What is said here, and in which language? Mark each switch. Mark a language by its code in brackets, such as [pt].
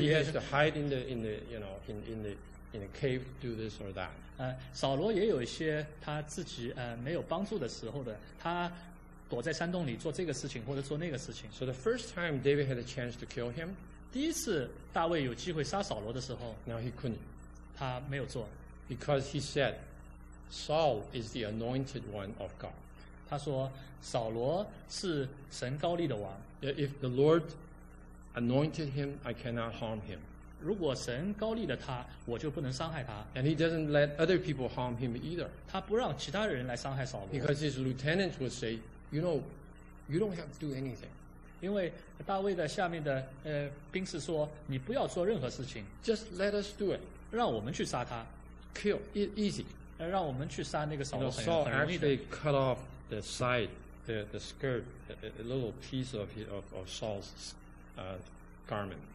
[en] He has to hide in the, you know, in the, in a cave do this or that. [zh] 扫罗也有一些他自己没有帮助的时候的，他躲在山洞里做这个事情或者做那个事情。 [en] So the first time David had a chance to kill him, [zh] 第一次大卫有机会杀扫罗的时候， [en] now he couldn't. [zh] 他没有做。 [en] Because he said, Saul is the anointed one of God. [zh] 他说扫罗是神高立的王。 [en] If the Lord anointed him, I cannot harm him. [zh] 如果神高立了他，我就不能伤害他。 [en] And he doesn't let other people harm him either. [zh] 他不让其他人来伤害扫罗。 [en] Because his lieutenant would say, you know, you don't have to do anything. [zh] 因为大卫的下面的兵士说，你不要做任何事情。 [en] Just let us do it. [zh] 让我们去杀他。 [en] Kill it easy. [zh] 让我们去杀那个扫罗很容易的。 [en] You know, Saul actually cut off the side, the skirt, a little piece of Saul's garment.